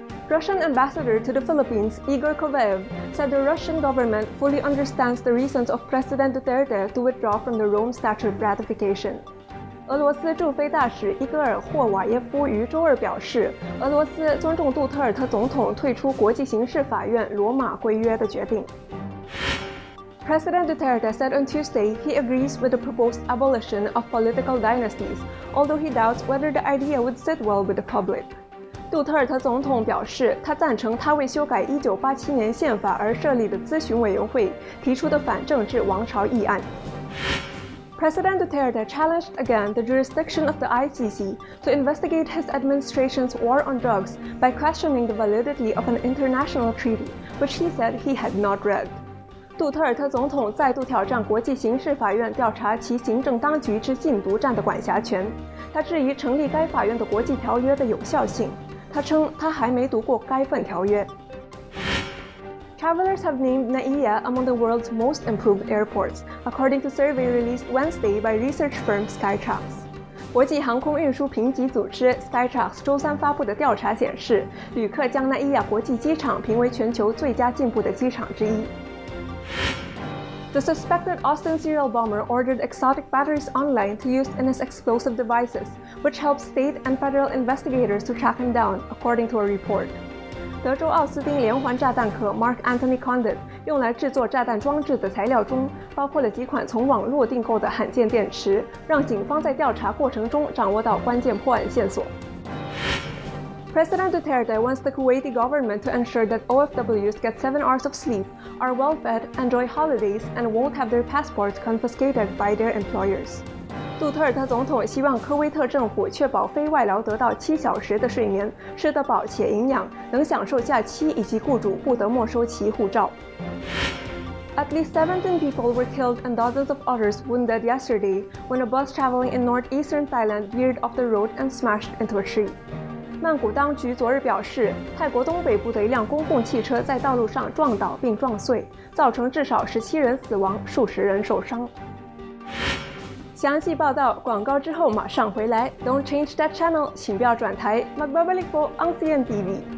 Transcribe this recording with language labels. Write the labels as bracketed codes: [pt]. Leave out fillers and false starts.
[en] Russian Ambassador to the Philippines, Igor Khovaev, said the Russian government fully understands the reasons of President Duterte to withdraw from the Rome Statute ratification. [zh] 俄罗斯驻菲大使伊戈尔·霍瓦耶夫于周二表示，俄罗斯尊重杜特尔特总统退出国际刑事法院罗马规约的决定。 [en] President Duterte said on Tuesday he agrees with the proposed abolition of political dynasties, although he doubts whether the idea would sit well with the public. [zh] 杜特尔特总统表示，他赞成他为修改1987年宪法而设立的咨询委员会提出的反政治王朝议案。 [en] President Duterte challenged again the jurisdiction of the ICC to investigate his administration's war on drugs by questioning the validity of an international treaty, which he said he had not read. [zh] 杜特尔特总统再度挑战国际刑事法院调查其行政当局之禁毒战的管辖权，他质疑成立该法院的国际条约的有效性，他称他还没读过该份条约。 [en] Travelers have named Naiya among the world's most improved airports, according to survey released Wednesday by research firm Skytrax. [zh] 国际航空运输评级组织 Skytrax 周三发布的调查显示，旅客将奈伊亚国际机场评为全球最佳进步的机场之一。 [en] The suspected Austin serial bomber ordered exotic batteries online to use in his explosive devices, which helps state and federal investigators to track him down, according to a report. [zh] 德州奥斯汀连环炸弹客 Mark Anthony Condit 用来制作炸弹装置的材料中包括了几款从网络订购的罕见电池，让警方在调查过程中掌握到关键破案线索。 [en] President Duterte wants the Kuwaiti government to ensure that OFWs get 7 hours of sleep, are well fed, enjoy holidays, and won't have their passports confiscated by their employers. [zh] 杜特尔特总统希望科威特政府确保非外劳得到7小时的睡眠，吃得饱且营养，能享受假期，以及雇主不得没收其护照。 [en] At least 17 people were killed and dozens of others wounded yesterday when a bus traveling in northeastern Thailand veered off the road and smashed into a tree. [zh] 曼谷当局昨日表示，泰国东北部的一辆公共汽车在道路上撞倒并撞碎，造成至少17人死亡，数十人受伤。详细报道广告之后马上回来。 [en] Don't change that channel， [zh] 请不要转台。 [tl] Magbabalikbo [en] on CNTV。